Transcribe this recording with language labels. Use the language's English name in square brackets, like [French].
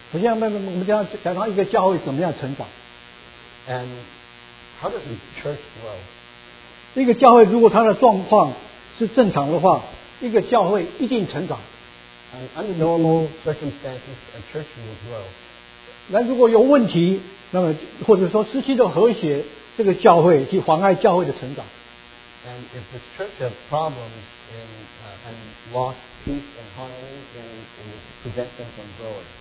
[Chinese] 我们讲到一个教会怎么样成长。 [English] And how does a church grow? [Chinese] 一个教会如果它的状况是正常的话，一个教会一定成长。 [English] And under normal circumstances, a church will grow. [Chinese] 那如果有问题，那么或者说失去了和谐，这个教会去妨碍教会的成长。 [English] And if the church has problems in, and lost. Peace and harmony, then it will prevent them from growing.